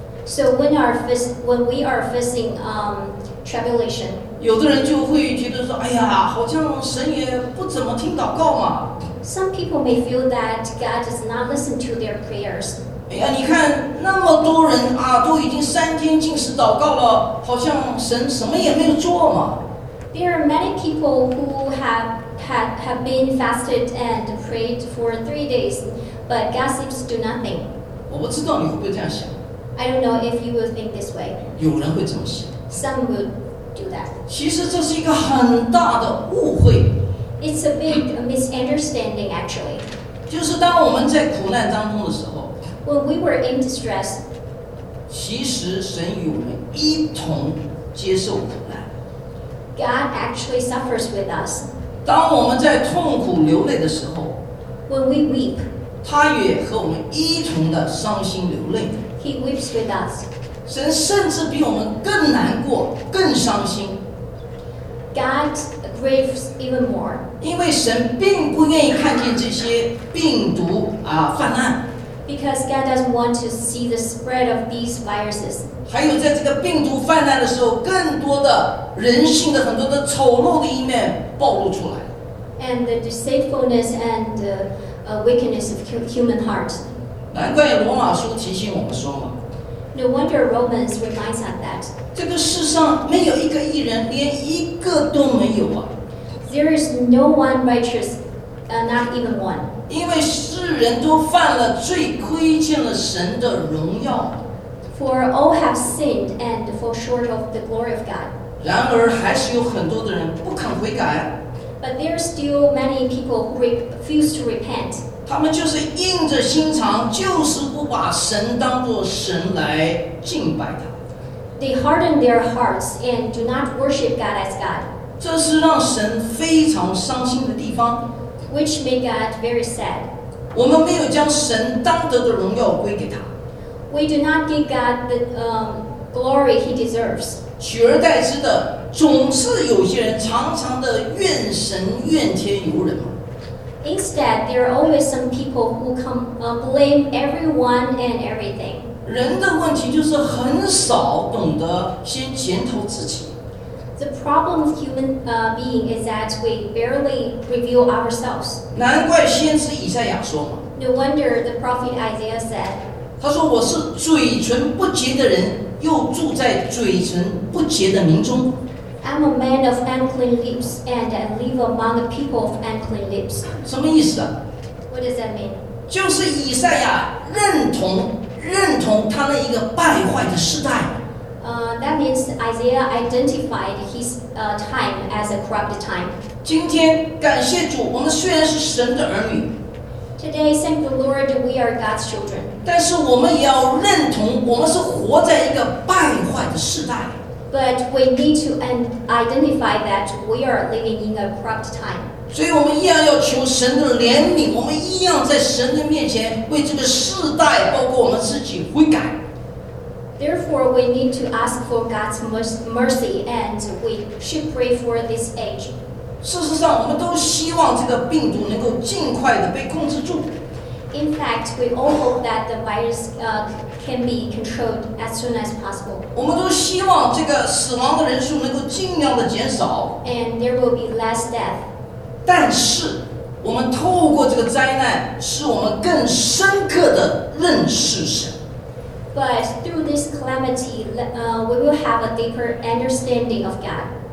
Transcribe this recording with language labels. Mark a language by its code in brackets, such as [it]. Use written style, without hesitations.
[en] So when we are facing tribulation, [zh] 有的人就会觉得说，哎呀，好像神也不怎么听祷告嘛。 [en] Some people may feel that God does not listen to their prayers. [zh] 哎呀，你看那么多人啊，都已经三天禁食祷告了，好像神什么也没有做嘛。 [en] There are many people who have been fasted and prayed for 3 days, but God seems to do nothing. [zh] 我不知道你会不会这样想。 [en] I don't know if you will think this way. [zh] 有人会这么想。 [en] Some will do that. [zh] 其实这是一个很大的误会。 [en] It's a big misunderstanding, actually. [zh] 就是当我们在苦难当中的时候。 [en] When we were in distress, [zh] 其实神与我们一同接受苦难。 [en] God actually suffers with us. [zh] 当我们在痛苦流泪的时候， [en] When we weep, [zh] 他也和我们一同的伤心流泪。 [en] He weeps with us. [zh] 神甚至比我们更难过，更伤心。 [en] God grieves even more. [zh] 因为神并不愿意看见这些病毒啊泛滥。 [en] Because God doesn't want to see the spread of these viruses. [zh] 还有在这个病毒泛滥的时候，更多的人性的很多的丑陋的一面暴露出来。 [en] And the deceitfulness and the wickedness of human heart. [zh] 难怪罗马书提醒我们说嘛。 [en] No wonder Romans reminds us that. [zh] 这个世上没有一个义人，连一个都没有啊。 [en] There is no one righteous, not even one. [zh] 因为世人都犯了罪，亏欠了神的荣耀。 [en] For all have sinned and fall short of the glory of God. [zh] 然而还是有很多的人不肯悔改。 [en] But there are still many people who refuse to repent. [zh] 他们就是硬着心肠，就是不把神当作神来敬拜他。 [en] They harden their hearts and do not worship God as God. [zh] 这是让神非常伤心的地方。 [en] Which made God very sad. [zh] 我们没有将神当得的荣耀归给他。 [en] We do not give God the glory He deserves. [zh] 取而代之的，总是有些人常常的怨神、怨天尤人。 [en] Instead, there are always some people who come blame everyone and everything. [zh] 人的问题就是很少懂得先检讨自己。 [en] The problem of human being is that we barely reveal ourselves. [zh] 难怪先知以赛亚说嘛。 [en] No wonder the prophet Isaiah said. [zh] 他说我是嘴唇不洁的人，又住在嘴唇不洁的民中。 [en] I'm a man of unclean lips, and I live among the people of unclean lips. [zh] 什么意思啊？ [en] What does that mean? [zh] 就是以赛亚认同他那一个败坏的世代。 [en] That means Isaiah identified his time as a corrupt time. [zh] 今天感谢主，我们虽然是神的儿女。 [en] Today, thank the Lord, we are God's children. [zh] 但是我们也要认同，我们是活在一个败坏的时代。 [en] But we need to identify that we are living in a corrupt time. [zh] 所以我们一样要求神的怜悯，我们一样在神的面前为这个世代，包括我们自己悔改。 [en] Therefore, we need to ask for God's mercy, and we should pray for this age. [zh] 事实上，我们都希望这个病毒能够尽快的被控制住。 [en] In fact, we all hope that the virus can be controlled as soon as possible. [zh] 我们都希望这个死亡的人数能够尽量的减少。 [en] And there will be less death. [zh] 但是，我们透过这个灾难，使我们更深刻的认识神。 [en] But through this calamity, we will have a deeper understanding of God.